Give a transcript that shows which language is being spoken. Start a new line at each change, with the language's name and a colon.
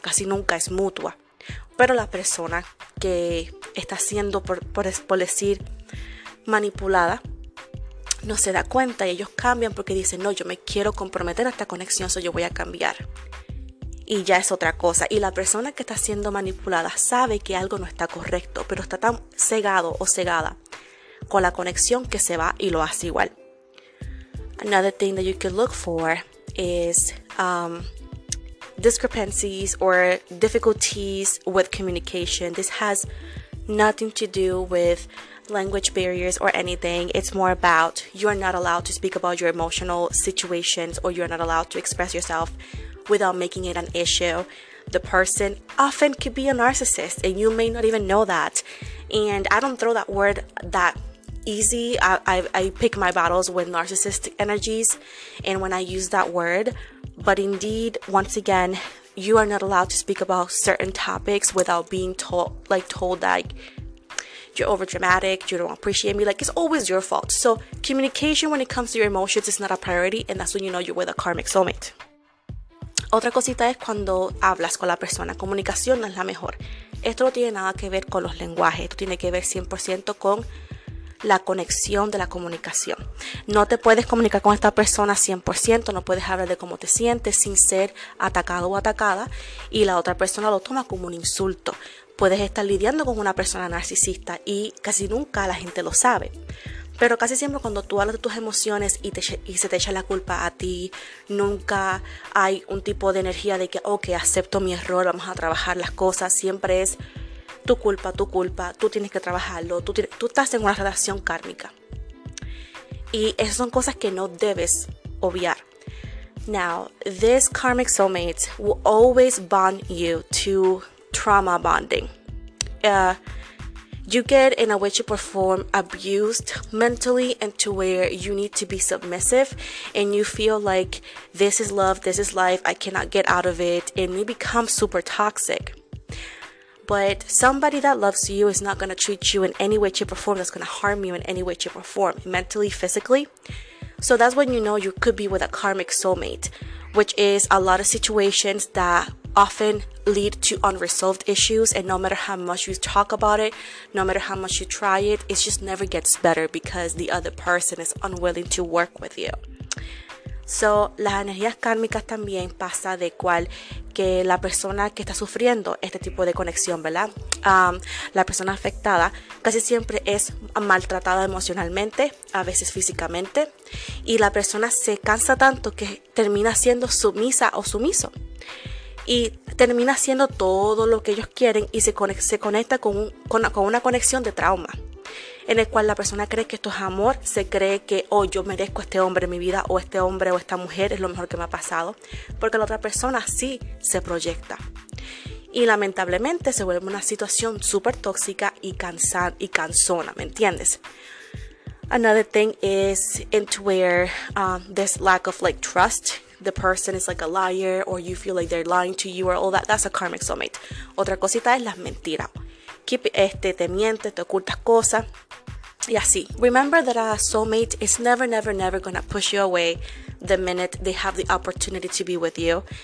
Spanish: Casi nunca es mutua. Pero la persona que está siendo, por decir, manipulada, no se da cuenta, y ellos cambian porque dicen, no, yo me quiero comprometer a esta conexión, so yo voy a cambiar. Y ya es otra cosa. Y la persona que está siendo manipulada sabe que algo no está correcto, pero está tan cegado o cegada con la conexión que se va y lo hace igual.
English: Another thing that you could look for is discrepancies or difficulties with communication. This has nothing to do with language barriers or anything. It's more about you are not allowed to speak about your emotional situations, or you are not allowed to express yourself without making it an issue. The person often could be a narcissist, and you may not even know that. And I don't throw that word that easy. I pick my battles with narcissistic energies and when I use that word. But indeed, once again, you are not allowed to speak about certain topics without being told that you're overdramatic, you don't appreciate me, like it's always your fault. So communication when it comes to your emotions is not a priority, and that's when you know you're with a karmic soulmate.
Spanish: Otra cosita es cuando hablas con la persona. Comunicación no es la mejor. Esto no tiene nada que ver con los lenguajes. Esto tiene que ver 100% con la conexión de la comunicación. No te puedes comunicar con esta persona 100%. No puedes hablar de cómo te sientes sin ser atacado o atacada. Y la otra persona lo toma como un insulto. Puedes estar lidiando con una persona narcisista y casi nunca la gente lo sabe. Pero casi siempre cuando tú hablas de tus emociones y se te echa la culpa a ti, nunca hay un tipo de energía de que, ok, acepto mi error, vamos a trabajar las cosas. Siempre es tu culpa, tú tienes que trabajarlo, tú estás en una relación kármica. Y esas son cosas que no debes obviar.
English: Now, this karmic soulmate will always bond you to trauma bonding. You get in a way to perform abused mentally and to where you need to be submissive and you feel like this is love, this is life, I cannot get out of it, and you become super toxic. But somebody that loves you is not going to treat you in any way, shape, or form that's going to harm you in any way, shape, or form, mentally, physically. So that's when you know you could be with a karmic soulmate, which is a lot of situations that often lead to unresolved issues, and no matter how much you talk about it, no matter how much you try it, it just never gets better because the other person is unwilling to work with you.
Spanish: So, las energías kármicas también pasa de cual que la persona que está sufriendo este tipo de conexión, ¿verdad? La persona afectada casi siempre es maltratada emocionalmente, a veces físicamente, y la persona se cansa tanto que termina siendo sumisa o sumiso. Y termina haciendo todo lo que ellos quieren y se conecta con una conexión de trauma. En el cual la persona cree que esto es amor, se cree que, oh, yo merezco este hombre en mi vida, o este hombre o esta mujer es lo mejor que me ha pasado. Porque la otra persona sí se proyecta. Y lamentablemente se vuelve una situación súper tóxica y cansona, ¿me entiendes?
English: Another thing is into where this lack of like trust. The person is like a liar, or you feel like they're lying to you, or all that. That's a karmic soulmate.
Spanish: Otra cosita es las mentiras. Te mientes, te ocultas cosas. Y así.
English: Remember that a soulmate is never, never, never gonna push you away the minute they have the opportunity to be with you.